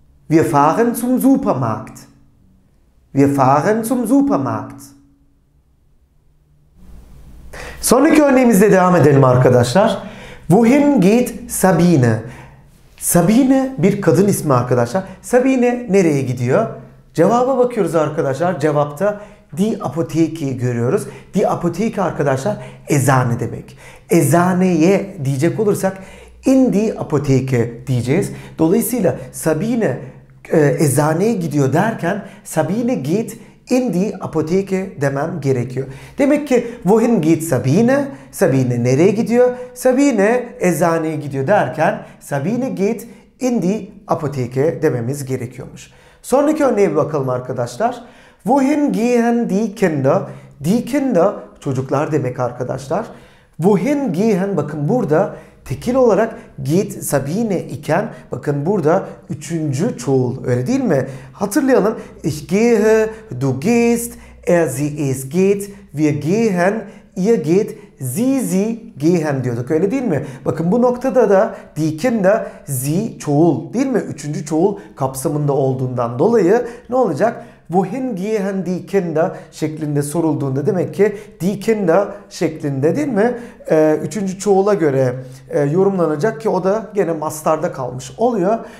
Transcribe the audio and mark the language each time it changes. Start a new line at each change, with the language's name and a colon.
German: Wir fahren zum Supermarkt. Wir fahren zum Supermarkt.
Turkish: Sonraki örneğimizle devam edelim arkadaşlar.
German: Wohin geht Sabine?
Turkish: Sabine bir kadın ismi arkadaşlar. Sabine nereye gidiyor? Cevaba bakıyoruz arkadaşlar. Cevapta die Apotheke'yi görüyoruz. Die Apotheke arkadaşlar eczane demek. Eczaneye diyecek olursak in die Apotheke diyeceğiz. Dolayısıyla Sabine eczaneye gidiyor derken
German: Sabine geht in die Apotheke
Turkish: demem gerekiyor. Demek ki
German: wohin geht Sabine?
Turkish: Sabine nereye gidiyor? Sabine eczaneye gidiyor derken
German: Sabine geht in die Apotheke
Turkish: dememiz gerekiyormuş. Sonraki örneğe bir bakalım arkadaşlar.
German: Wohin gehen die Kinder?
Turkish: Die Kinder çocuklar demek arkadaşlar.
German: Wohin gehen,
Turkish: bakın burada tekil olarak geht Sabine iken bakın burada üçüncü çoğul, öyle değil mi? Hatırlayalım.
German: Ich gehe, du gehst, sie, es geht, wir gehen, ihr geht, sie gehen
Turkish: diyorduk, öyle değil mi? Bakın bu noktada da die Kinder sie çoğul, değil mi? Üçüncü çoğul kapsamında olduğundan dolayı ne olacak?
German: Wohin gehen die Kinder
Turkish: şeklinde sorulduğunda demek ki die Kinder şeklinde değil mi? Üçüncü çoğula göre yorumlanacak ki o da gene mastarda kalmış oluyor.